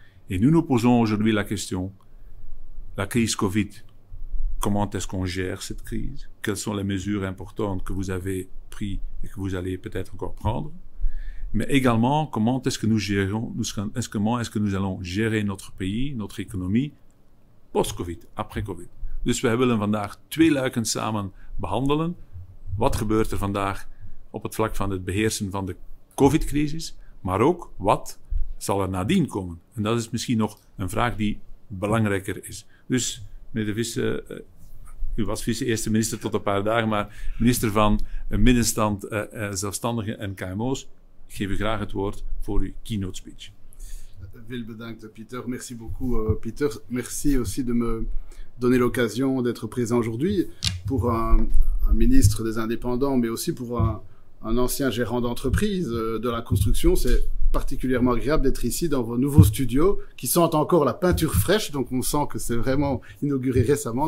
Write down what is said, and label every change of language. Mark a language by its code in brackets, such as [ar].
[fr] Et nous nous posons aujourd'hui la question, la crise Covid, comment est-ce qu'on gère cette crise? Quelles sont les mesures importantes que vous avez prises et que vous allez peut-être encore prendre? Mais également, comment est-ce que nous gérons, comment est-ce que nous allons gérer notre pays, notre économie, post-Covid, après Covid? [nl] Dus wij willen vandaag twee luiken samen behandelen. Wat gebeurt er vandaag op het vlak van het beheersen van de COVID-crisis? Maar ook, wat zal er nadien komen? En dat is misschien nog een vraag die belangrijker is. Dus, meneer De Visse, u was vice-eerste minister tot een paar dagen, maar minister van Middenstand, Zelfstandigen en KMO's, ik geef u graag het woord voor uw keynote speech. Veel bedankt, Pieter. [fr] Merci beaucoup, [nl] Pieter. [fr] Merci aussi de me donner l'occasion d'être présent aujourd'hui pour un ministre des indépendants, mais aussi pour un ancien gérant d'entreprise de la construction. C'est particulièrement agréable d'être ici dans vos nouveaux studios qui sentent encore la peinture fraîche, donc on sent que c'est vraiment inauguré récemment.